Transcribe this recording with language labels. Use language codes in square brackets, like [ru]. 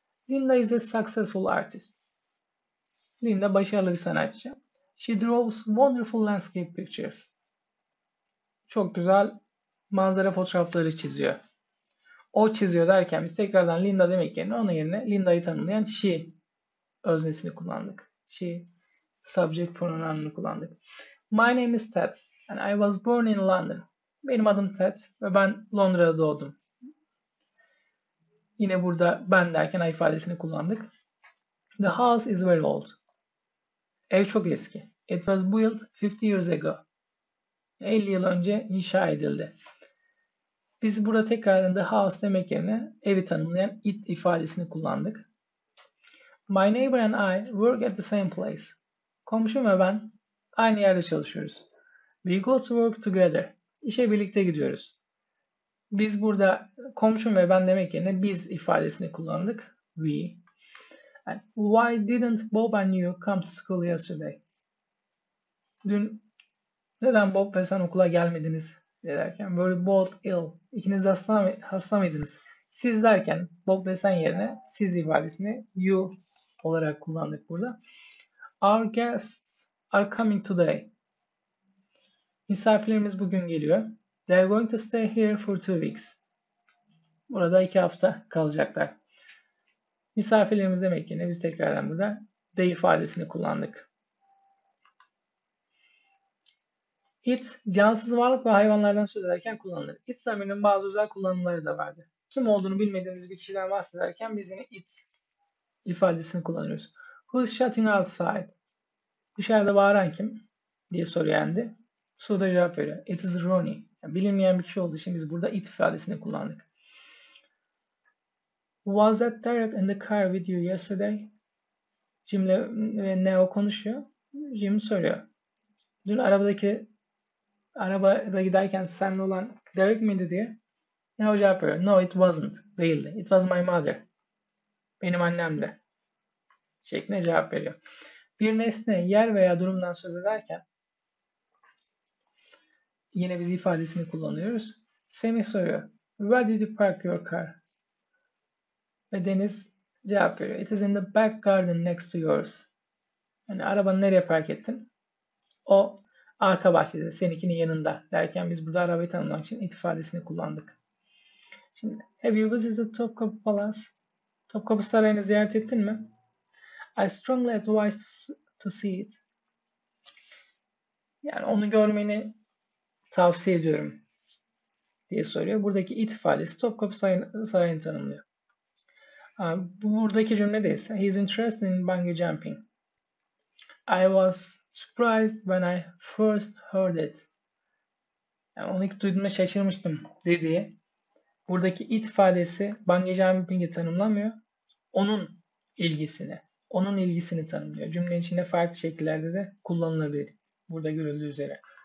[en] Linda is a successful artist. [tr] Linda başarılı bir sanatçı. [en] She draws wonderful landscape pictures. [tr] Çok güzel manzara fotoğrafları çiziyor. O çiziyor derken biz tekrardan Linda demek yerine onun yerine Linda'yı tanımlayan she öznesini kullandık. She subject pronoun'unu kullandık. [en] My name is Ted and I was born in London. [tr] Benim adım Ted ve ben Londra'da doğdum. Yine burada ben derken I ifadesini kullandık. [en] The house is very old. [tr] Ev çok eski. [en] It was built 50 years ago. [tr] 50 yıl önce inşa edildi. Biz burada tekrardan the house demek yerine evi tanımlayan it ifadesini kullandık. [en] My neighbor and I work at the same place. [tr] Komşum ve ben aynı yerde çalışıyoruz. [en] We go to work together. [tr] İşe birlikte gidiyoruz. Biz burada komşum ve ben demek yerine biz ifadesini kullandık. [en] We. And why didn't Bob and you come to school yesterday? [tr] Dün neden Bob ve sen okula gelmediniz? Derken böyle [en] both ill. [tr] İkiniz hasta mıydınız? Siz derken Bob ve sen yerine siz ifadesini you olarak kullandık burada. [en] Our guests are coming today. [tr] Misafirlerimiz bugün geliyor. [en] They're going to stay here for 2 weeks. [tr] Burada 2 hafta kalacaklar. Misafirlerimiz demek yerine biz tekrardan burada they ifadesini kullandık. It, cansız varlık ve hayvanlardan söz ederken kullanılır. It zamirinin bazı özel kullanımları da vardır. Kim olduğunu bilmediğimiz bir kişiden bahsederken biz yine it ifadesini kullanıyoruz. [en] Who's shouting outside? [tr] Dışarıda bağıran kim? Diye soruyor Andy. Soruda cevap veriyor. [en] It is Ronnie. [tr] Yani bilinmeyen bir kişi olduğu için biz burada it ifadesini kullandık. Was that Derek in the car with you yesterday? Jim ve Neo konuşuyor. Jim soruyor. Dün arabada giderken seninle olan Derek miydi diye. Ne o cevap veriyor. [en] No, it wasn't. [tr] Değildi. [en] It was my mother. [tr] Benim annemdi. Şeklinde cevap veriyor. Bir nesne, yer veya durumdan söz ederken yine biz ifadesini kullanıyoruz. Semih soruyor. [en] Where did you park your car? [tr] Ve Deniz cevap veriyor. [en] It is in the back garden next to yours. [tr] Yani arabanı nereye park ettin? O arka bahçede, seninkinin yanında derken biz burada arabayı tanımlamak için it ifadesini kullandık. Şimdi, [en] have you visited Topkapı Palace? [tr] Topkapı Sarayı'nı ziyaret ettin mi? [en] I strongly advise to see it. [tr] Yani onu görmeni tavsiye ediyorum diye soruyor. Buradaki it ifadesi Topkapı Sarayı'nı tanımlıyor. Buradaki cümlede ise [en] he's interested in bungee jumping. I was surprised when I first heard it. [tr] Yani onu ilk duyduğumda şaşırmıştım dediği. Buradaki it ifadesi bungee jumping'e tanımlamıyor. Onun ilgisini, onun ilgisini tanımlıyor. Cümlenin içinde farklı şekillerde de kullanılabilir. Burada görüldüğü üzere.